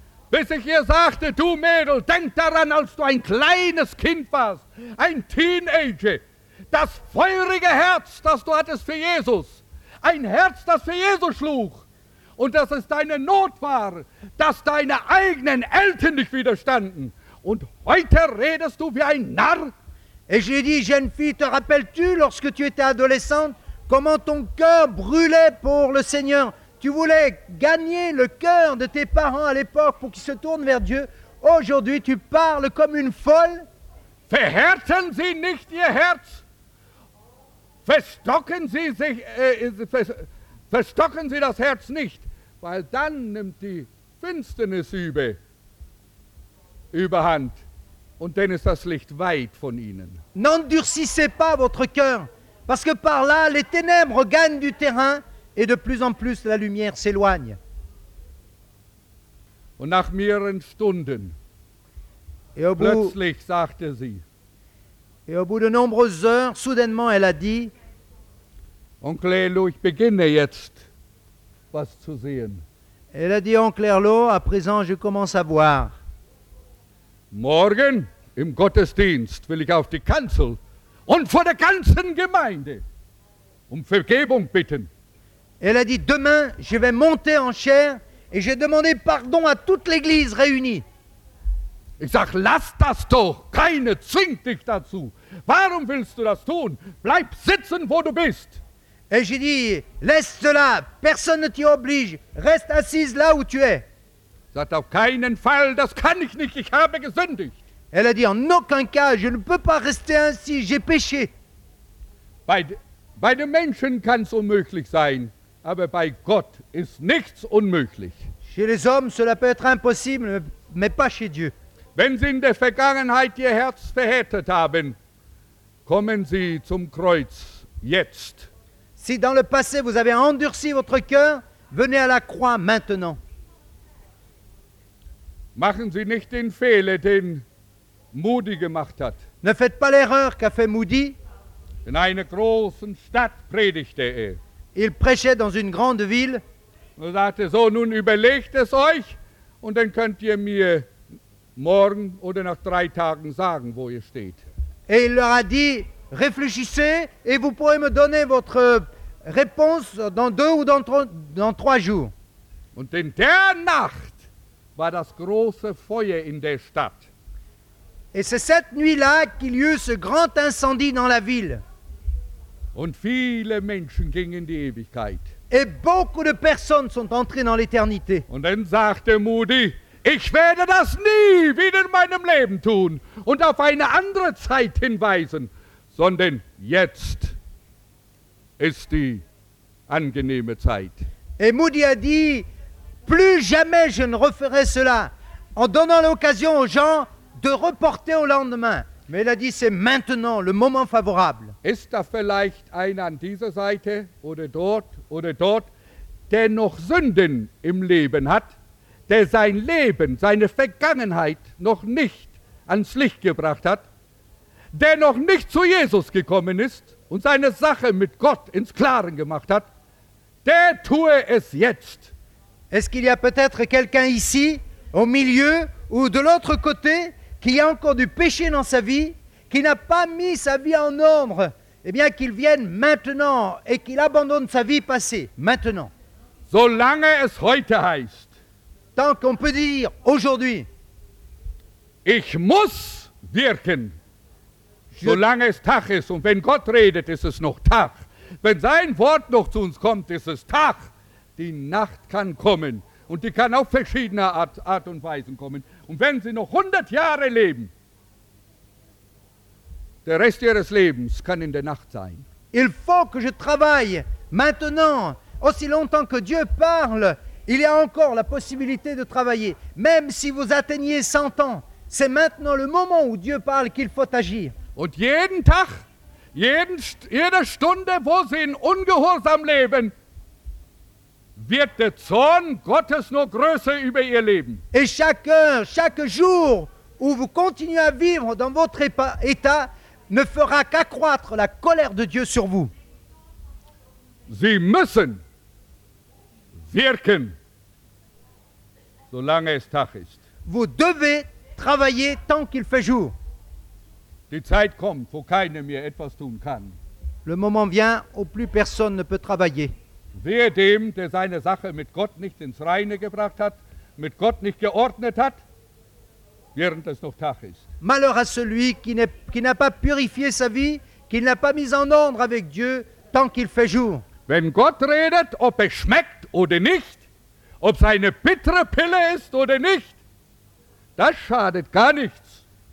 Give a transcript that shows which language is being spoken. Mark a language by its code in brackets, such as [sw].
[de] Bis ich ihr sagte, du Mädel, denk daran, als du ein kleines Kind warst, ein Teenager, das feurige Herz, das du hattest für Jesus, ein Herz, das für Jesus schlug, und dass es deine Not war, dass deine eigenen Eltern dich widerstanden. Und heute redest du wie ein Narr? [fr] Et j'ai dit, jeune fille, te rappelles-tu, lorsque tu étais adolescente, comment ton cœur brûlait pour le Seigneur? Tu voulais gagner le cœur de tes parents à l'époque pour qu'ils se tournent vers Dieu. Aujourd'hui, tu parles comme une folle. [de] Verhärten Sie nicht Ihr Herz. Verstocken Sie sich, verstocken Sie das Herz nicht, weil dann nimmt die Finsternis überhand und dann ist das Licht weit von Ihnen. [fr] N'endurcissez pas votre cœur, parce que par là, les ténèbres gagnent du terrain. Et de plus en plus, la lumière s'éloigne. [de] Und nach mehreren Stunden, [fr] et au bout, [de] plötzlich sagte sie, [fr] et au bout de nombreuses heures, soudainement, elle a dit, [de] Onkel Erlo, ich beginne jetzt, was zu sehen. [fr] Elle a dit, Onkel Erlo, à présent, je commence à voir. [de] Morgen, im Gottesdienst, will ich auf die Kanzel und vor der ganzen Gemeinde Vergebung bitten. [fr] Elle a dit, demain, je vais monter en chair et je vais demander pardon à toute l'église réunie. [de] Ich sag, lass das doch, keine zwingt dich dazu. Warum willst du das tun? Bleib sitzen, wo du bist. [fr] Et j'ai dit, laisse cela, personne ne t'y oblige, reste assise là où tu es. [de] Sagt, auf keinen Fall, das kann ich nicht, ich habe gesündigt. [fr] Elle a dit, en aucun cas, je ne peux pas rester ainsi, j'ai péché. [de] Bei den Menschen kann es unmöglich sein, aber bei Gott ist nichts unmöglich. [fr] Chez les hommes, cela peut être impossible, mais pas chez Dieu. [de] Wenn Sie in der Vergangenheit Ihr Herz verhärtet haben, kommen Sie zum Kreuz jetzt. [fr] Si dans le passé vous avez endurci votre cœur, venez à la croix maintenant. [de] Machen Sie nicht den Fehler, den Moody gemacht hat. [fr] Ne faites pas l'erreur qu'a fait Moody. [de] In einer großen Stadt predigte er. [fr] Il prêchait dans une grande ville. [de] Er sagte, so, nun überlegt es euch und dann könnt ihr mir morgen oder nach drei Tagen sagen, wo ihr steht. [fr] Et il leur a dit, réfléchissez et vous pourrez me donner votre réponse dans deux ou dans trois jours. [de] Und in der Nacht war das große Feuer in der Stadt. [fr] Et c'est cette nuit-là qu'il y eut ce grand incendie dans la ville. [de] Und viele Menschen gingen in die Ewigkeit. [fr] Et beaucoup de personnes sont entrées dans l'éternité. [de] Und dann sagte Moody, ich werde das nie wieder in meinem Leben tun und auf eine andere Zeit hinweisen, sondern jetzt ist die angenehme Zeit. [fr] Et Moody a dit, plus jamais je ne referai cela, en donnant l'occasion aux gens de reporter au lendemain. Mais elle a dit, c'est maintenant le moment favorable. [de] Ist da vielleicht einer an dieser Seite oder dort, der noch Sünden im Leben hat, der sein Leben, seine Vergangenheit noch nicht ans Licht gebracht hat, der noch nicht zu Jesus gekommen ist und seine Sache mit Gott ins Klare gemacht hat, der tue es jetzt. [fr] Est-ce qu'il y a peut-être quelqu'un ici, au milieu ou de l'autre côté, qui a encore du péché dans sa vie, qui n'a pas mis sa vie en ordre, eh bien qu'il vienne maintenant et qu'il abandonne sa vie passée, maintenant. [de] Solange es heute heißt, [fr] tant qu'on peut dire aujourd'hui, [de] ich muss wirken, solange es Tag ist, und wenn Gott redet, ist es noch Tag. Wenn sein Wort noch zu uns kommt, ist es Tag. Die Nacht kann kommen und die kann auf verschiedene Art und Weisen kommen. Und wenn sie noch 100 Jahre leben, der Rest ihres Lebens kann in der Nacht sein. [fr] Il faut que je travaille maintenant, aussi longtemps que Dieu parle. Il y a encore la possibilité de travailler. Même si vous atteignez 100 ans, c'est maintenant le moment où Dieu parle qu'il faut agir. [de] Und jeden Tag, jede Stunde, wo sie in Ungehorsam leben, wird der Zorn Gottes nur größer über ihr Leben. [fr] Et chaque heure, chaque jour où vous continuez à vivre dans votre état, ne fera qu'accroître la colère de Dieu sur vous. [de] Sie müssen wirken, solange es Tag ist. [fr] Vous devez travailler tant qu'il fait jour. [de] Die Zeit kommt, wo keiner mehr etwas tun kann. [fr] Le moment vient où plus personne ne peut travailler. [de] Wehe dem, der seine Sache mit Gott nicht ins Reine gebracht hat, mit Gott nicht geordnet hat, während es noch Tag ist. [fr] Malheur à celui qui n'a pas purifié sa vie, qui n'a pas mis en ordre avec Dieu tant qu'il fait jour. [de] Wenn Gott redet, ob es schmeckt oder nicht, ob es eine bittere Pille ist oder nicht, das schadet gar nichts.